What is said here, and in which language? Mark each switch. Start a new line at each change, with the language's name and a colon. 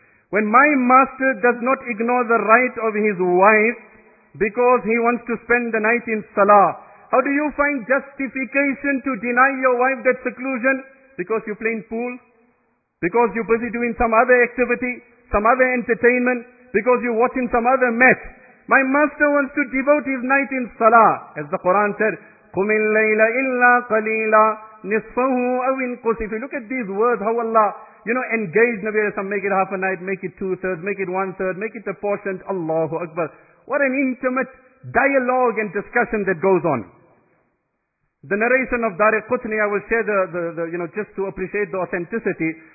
English: When my master does not ignore the right of his wife because he wants to spend the night in Salah, how do you find justification to deny your wife that seclusion? Because you're playing pool? Because you're busy doing some other activity, some other entertainment, because you're watching some other match? My master wants to devote his night in Salah. As the Quran said,
Arabic: قُمِ اللَّيْلَ إِلَّا قَلِيلًا نِصْفَهُ أَوِنْ قُسِ.
English: If you look at these words, how Allah, engage Nabi Sallallahu Alaihi, make it half a night, make it two-thirds, make it one-third, make it apportioned. Allahu Akbar. What an intimate dialogue and discussion that goes on. The narration of Dari Qutni, I will share the just to appreciate the authenticity.